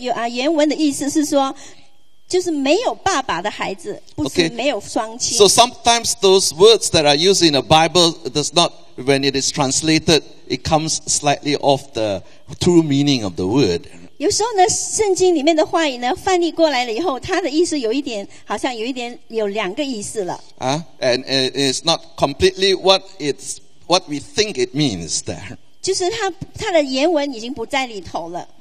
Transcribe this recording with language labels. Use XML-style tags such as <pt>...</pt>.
<zh>那在这个犹太人的这个意思原文的意思是说 就是没有爸爸的孩子 不是没有双亲</zh> <en>okay. So sometimes those words that are used in the Bible does not, when it is translated, it comes slightly off the true meaning of the word.</en> <zh>有时候呢, 圣经里面的话语呢, 翻译过来了以后, 它的意思有一点, 好像有一点, 有两个意思了。</zh> <en>And it's not completely what we think it means there.</en> <zh>就是它, 它的原文已经不在里头了。</zh>